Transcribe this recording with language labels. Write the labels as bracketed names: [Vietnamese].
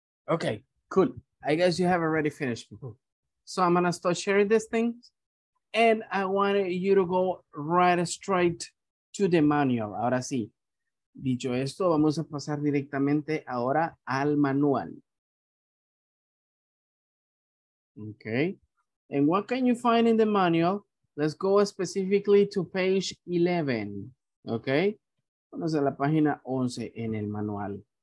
[English] Okay, cool. I guess you have already finished, people. So I'm gonna start sharing these things and I want you to go right straight to the manual. [Spanish] Ahora sí, dicho esto, vamos a pasar directamente ahora al manual. [English] Okay, and what can you find in the manual? Let's go specifically to page 11, okay? [Spanish] Vamos a la página 11 en el manual.